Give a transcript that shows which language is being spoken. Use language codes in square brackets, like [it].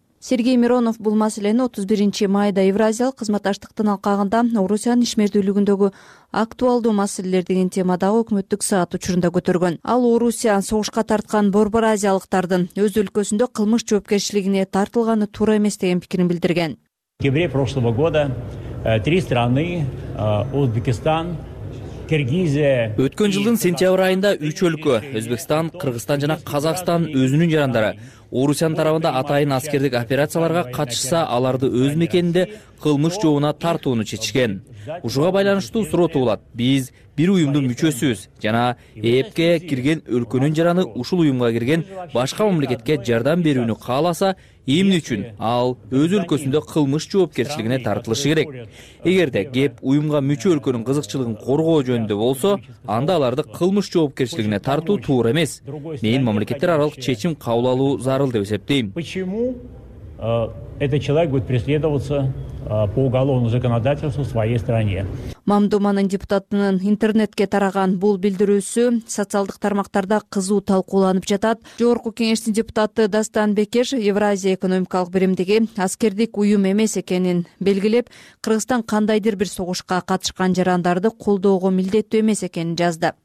[ky] Сергей Миронов бул маселени 31 майда Евразиялык кызматташтыктын алкагында Орусиянын ишмердүүлүгүндөгү актуалдуу маселелер деген темадагы өкмөттүк саат учурунда көтөргөн. Ал Орусия согушка тарткан борбор азиялыктардын өз өлкөсүндө кылмыш жоопкерчилигине тартылганы туура эмес деген пикирин билдирген. [ru] В октябре прошлого года три страны Узбекистан, [ky] өткөн жылдын сентябрь айында үч өлкө Өзбекстан, Кыргызстан жана Казакстан өзүнүн жарандары Орусиянын тарабында атайын аскердик операцияларга катышса аларды өз мекенинде кылмыш жообуна тартууну чечишкен. Ушуга байланыштуу суроо туулат. Биз бир уюмдун мүчөсүбүз жана ЭЭПке кирген өлкөнүн жараны ушул уюмга кирген башка мамлекетке жардам берүүнү кааласа эмне үчүн ал өз өлкөсүндө кылмыш жоопкерчилигине тартылышы керек? Эгерде кеп уюмга мүчө өлкөнүн кызыкчылыгын коргоо жөнүндө болсо, анда аларды кылмыш жоопкерчилигине тартуу туура эмес. Мен мамлекеттер аралык чечим кабыл алуу зарыл деп эсептейм. [ru] Почему этот человек будет преследоваться по уголовному законодательству в своей стране? [ky] Мамдуманын депутатынын интернетке тараган бул билдирүүсү социалдык тармактарда кызуу талкууланып жатат. Жогорку кеңештин депутаты Дастан Бекеш Евразия экономикалык биримдиги аскердик уюм эмес экенин белгилеп, Кыргызстан кандайдыр бир согушка катышкан жарандарды колдоого милдеттүү эмес экенин жазды.